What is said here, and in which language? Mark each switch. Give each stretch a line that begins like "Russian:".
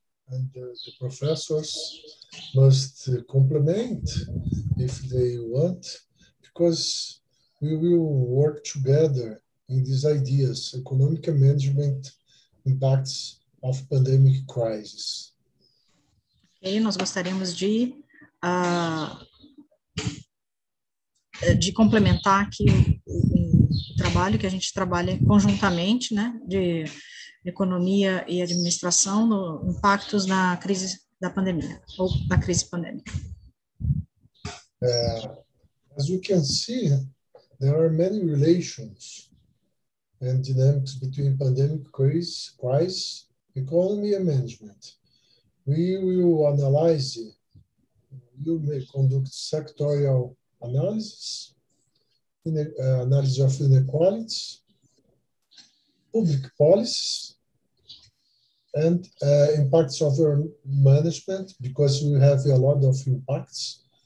English: And the professors must complement if they want, because we will work together in these ideas, economic management impacts of pandemic crisis.
Portuguese: Ok, nós gostaríamos de complementar aqui o trabalho que a gente trabalha conjuntamente, né, de economia e administração, no impactos na crise da pandemia, ou na crise pandêmica.
English: As you can see, there are many relations and dynamics between pandemic crisis, economy and management. We will analyze, you may conduct sectorial analysis, analysis of inequalities, public policies, and impacts of our management, because we have a lot of impacts.